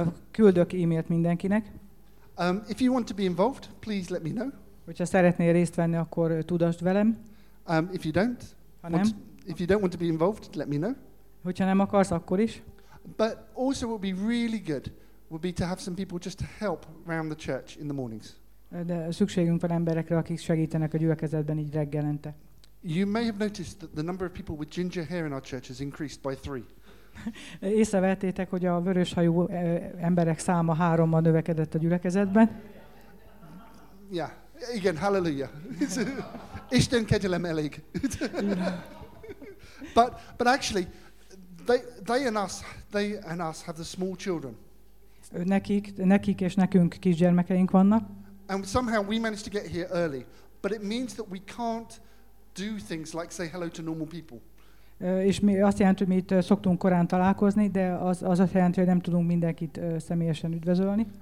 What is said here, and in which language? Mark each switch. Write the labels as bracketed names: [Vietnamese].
[Hungarian] Küldök e-mailt mindenkinek. [English] If you want to be involved, please let me know. [Hungarian] Hogyha szeretnél részt venni, akkor tudasd velem. [English] If you don't, if you don't want to be involved, let me know. [Hungarian] Hogyha nem akarsz, akkor is. [English] But also would be really good would be to have some people just to help around the church in the mornings. [Hungarian] De szükségünk van emberekre, akik segítenek a gyülekezetben így reggelente. [English] You may have noticed that the number of people with ginger hair in our church has increased by 3. [Hungarian] Észrevettétek, hogy a vöröshajú emberek száma 3-mal növekedett a gyülekezetben. Yeah, igen, hallelujah. Isten kegyelem elég. [English] But actually, they and us have the small children. [Hungarian] Nekik és nekünk kisgyermekeink vannak. [English] And somehow we managed to get here early, but it means that we can't do things like say hello to normal people. [Hungarian] És mi azt jelenti, hogy mi itt szoktunk korán találkozni, de az azt jelenti, hogy nem tudunk mindenkit személyesen üdvözölni.